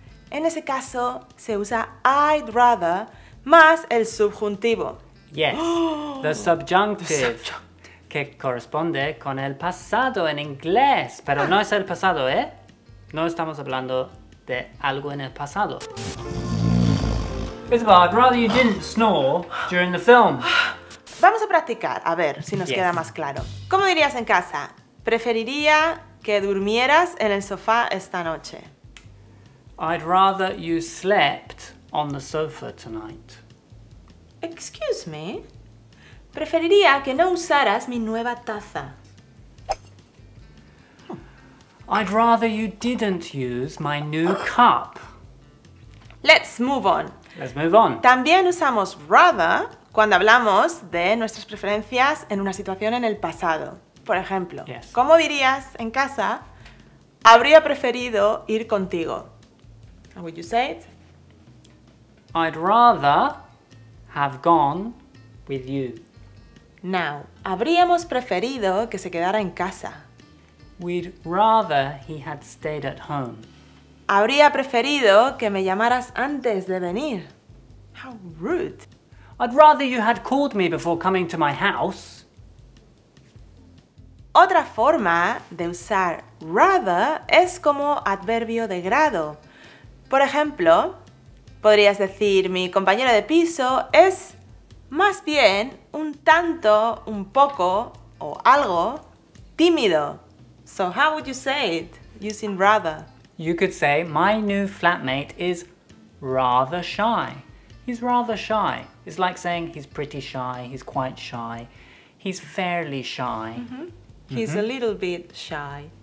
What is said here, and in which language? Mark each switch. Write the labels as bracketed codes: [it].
[es] En ese caso, se usa I'd rather más el subjuntivo. [en] Yes, the subjunctive. [es] Que corresponde con el pasado en inglés. Pero no es el pasado, ¿eh? No estamos hablando de algo en el pasado. [en] Isabel, I'd rather you didn't snore during the film. [es] Vamos a practicar, a ver si nos queda más claro. ¿Cómo dirías en casa? Preferiría que durmieras en el sofá esta noche. [en] I'd rather you slept on the sofa tonight. Excuse me. [es] Preferiría que no usaras mi nueva taza. [en] I'd rather you didn't use my new cup. Let's move on. Let's move on. [es] También usamos rather cuando hablamos de nuestras preferencias en una situación en el pasado. Por ejemplo, [en] yes. [es] ¿Cómo dirías en casa? Habría preferido ir contigo. [en] How would you say it? I'd rather have gone with you. [es] Now, habríamos preferido que se quedara en casa. [en] We'd rather he had stayed at home. [es] Habría preferido que me llamaras antes de venir. [en] How rude. I'd rather you had called me before coming to my house. [es] Otra forma de usar rather es como adverbio de grado. Por ejemplo, podrías decir mi compañero de piso es más bien un tanto, un poco o algo tímido. [en] So how would you say it using rather? You could say, my new flatmate is rather shy. He's rather shy. It's like saying he's pretty shy, he's quite shy, he's fairly shy. Mm-hmm. Mm-hmm. He's a little bit shy.